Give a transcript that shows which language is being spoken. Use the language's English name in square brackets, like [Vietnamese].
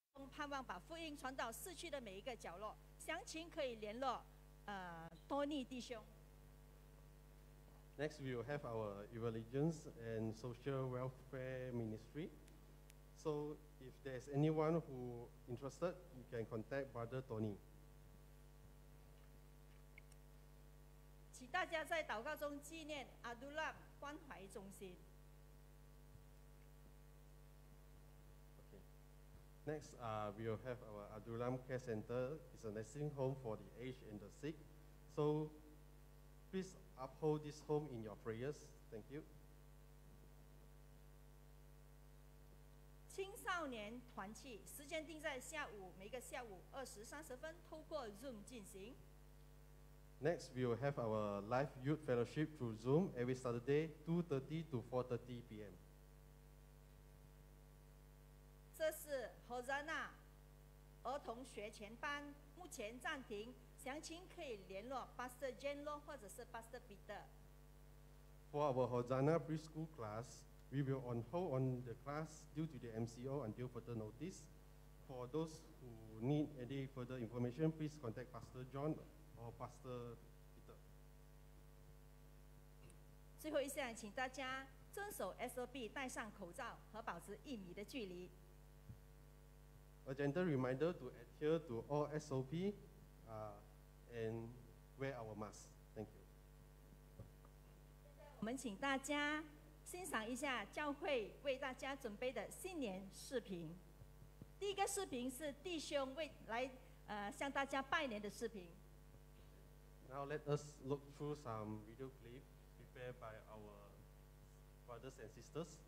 [Chinese] 盼望把福音传到市区的每一个角落。详情可以联络多尼弟兄。 [English] Next, we will have our evangelisms and social welfare ministry. So, if there's anyone who interested, you can contact Brother Tony. [Chinese] 请大家在祷告中纪念阿杜拉关怀中心。 [English] Okay. Next, we will have our Adulam Care Center. It's a nursing home for the aged and the sick. So, please uphold this home in your prayers. Thank you. [Chinese] 青少年团契时间定在下午，每个下午20:30，透过 Zoom 进行。 [English] Next, we will have our live youth fellowship through Zoom every Saturday, 2:30 to 4:30 p.m. [Chinese] 这是 Hosanna 儿童学前班，目前暂停。详情可以联络 Pastor Jen Lo 或者是 Pastor Peter. [English] For our Hosanna preschool class, we will on hold on the class due to the MCO until further notice. For those who need any further information, please contact Pastor John or Pastor Peter. [Chinese] 最后一项，请大家遵守 SOP， 戴上口罩和保持一米的距离。 [English] A gentle reminder to adhere to all SOP. And wear our mask. Thank you. [Chinese] 我们请大家欣赏一下教会为大家准备的新年视频。第一个视频是弟兄为来向大家拜年的视频。 [English] Now let us look through some video clip prepared by our brothers and sisters.